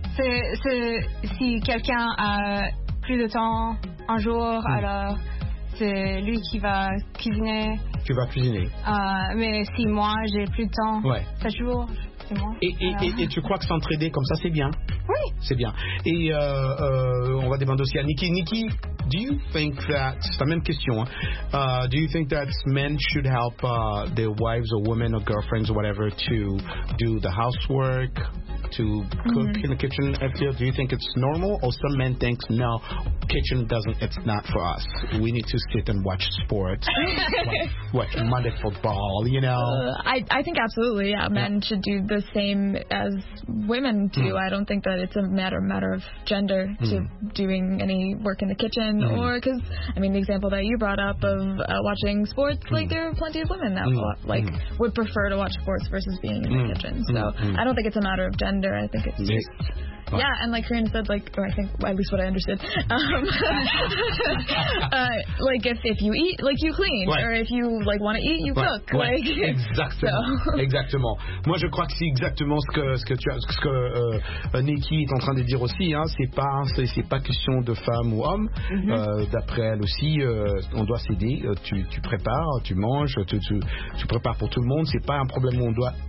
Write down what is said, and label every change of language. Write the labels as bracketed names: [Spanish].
[French] C'est si quelqu'un a plus de temps un jour, alors c'est lui qui va cuisiner. Tu vas cuisiner. Mais si moi j'ai plus de temps, 7 jours, Et tu crois que s'entraider comme ça, c'est bien? Oui. C'est bien. Et on va demander aussi à Nikki. [English] Nikki, do you think that, [French] c'est la même question, [English] do you think that men should help their wives or women or girlfriends or whatever to do the housework, to cook in the kitchen? Do you think it's normal? Or some men think, no, kitchen doesn't, it's not for us. We need to sit and watch sports, watch Monday football, you know? I think absolutely, yeah, men should do the same as women do. Mm. I don't think that it's a matter of gender to doing any work in the kitchen. Mm. Or, because, I mean, the example that you brought up of watching sports, like, there are plenty of women that would prefer to watch sports versus being in the kitchen. So I don't think it's a matter of gender. I think it's just... Wow. Yeah, and like Karina said, like, or I think, at least what I understood, like, if you eat, like, you clean, or if you, like, want to eat, you cook, like. [French] Exactement, so. Exactement. Moi, je crois que c'est exactement ce que Nikki est en train de dire aussi, hein, c'est pas question de femme ou homme, d'après elle aussi, on doit s'aider, tu prépares, tu manges, tu prépares pour tout le monde, c'est pas un problème où on doit...